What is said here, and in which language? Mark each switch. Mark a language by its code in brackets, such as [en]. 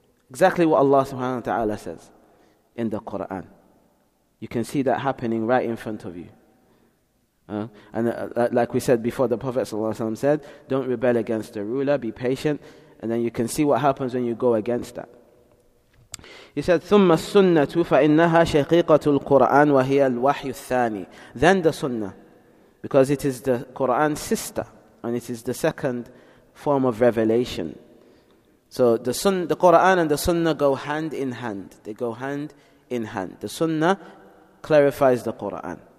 [en] Exactly what Allah subhanahu wa ta'ala says in the Quran. You can see that happening right in front of you. Like we said before, the Prophet ﷺ said, don't rebel against the ruler, be patient. And then you can see what happens when you go against that. He said, [ar] ثُمَّ السُنَّةُ فَإِنَّهَا شَقِيقَةُ الْقُرْآنِ وَهِيَ الْوَحْيُ الثَّانِي. [en] Then the sunnah, because it is the Quran's sister, and it is the second form of revelation. So the Quran and the sunnah go hand in hand. They go hand in hand. The sunnah clarifies the Quran.